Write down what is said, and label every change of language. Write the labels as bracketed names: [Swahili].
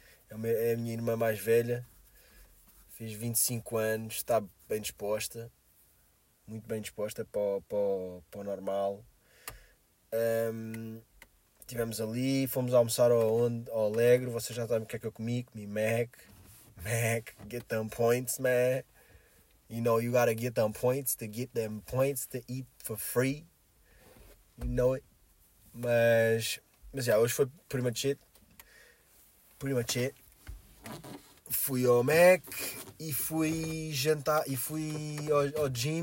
[Portuguese] É a minha irmã mais velha. Fiz 25 anos, está bem disposta, muito bem disposta para o normal. Estivemos ali, fomos almoçar ao Alegre, vocês já sabem o que é que eu comi, Mac, [English] get them points, man. You know, you gotta get them points to eat for free, you know it. [Portuguese] Mas, yeah, hoje foi [English] pretty much it. [Portuguese] Fui ao Mac e fui jantar e fui ao gym.